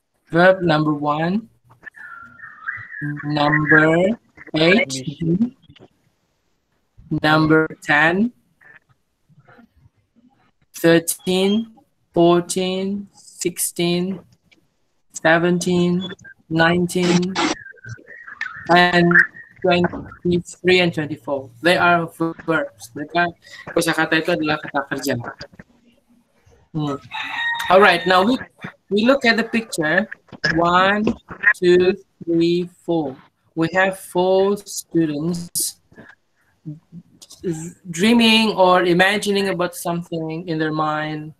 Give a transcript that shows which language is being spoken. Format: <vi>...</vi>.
<en>Verb number one, number eight, number 10, 13, 14, 16, 17, 19, and 23 and 24. They are verbs.</en> <id>Mereka kosakata itu adalah kata kerja.</id> <en>All right, now we look at the picture. 1, 2, 3, 4. We have 4 students dreaming or imagining about something in their mind.</en>